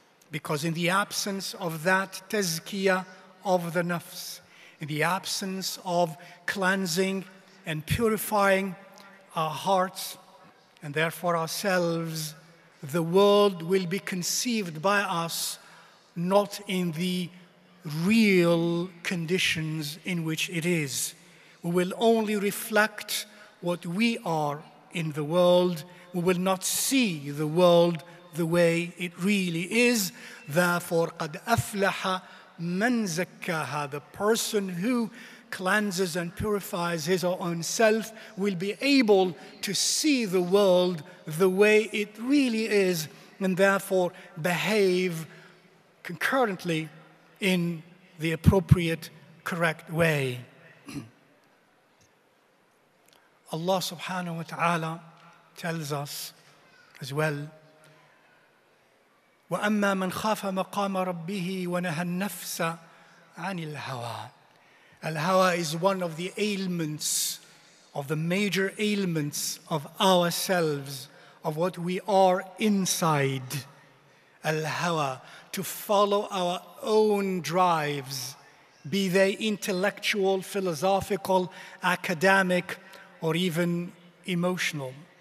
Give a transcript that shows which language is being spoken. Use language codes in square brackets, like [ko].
[en] Because in the absence of that tazkiyah of the nafs, in the absence of cleansing and purifying our hearts, and therefore ourselves, the world will be conceived by us not in the real conditions in which it is. We will only reflect what we are in the world. We will not see the world the way it really is. Therefore, [ar] قَدْ أَفْلَحَ مَنْ زَكَّاهَا. [en] The person who cleanses and purifies his or her own self will be able to see the world the way it really is, and therefore behave concurrently in the appropriate, correct way. Allah subhanahu wa ta'ala tells us as well, [ar] وَأَمَّا مَنْ خَافَ مَقَامَ رَبِّهِ وَنَهَى النَّفْسَ عَنِ الْهَوَى. [en] Al-hawa is one of the ailments, of the major ailments of ourselves, of what we are inside. Al-hawa, to follow our own drives, be they intellectual, philosophical, academic, or even emotional.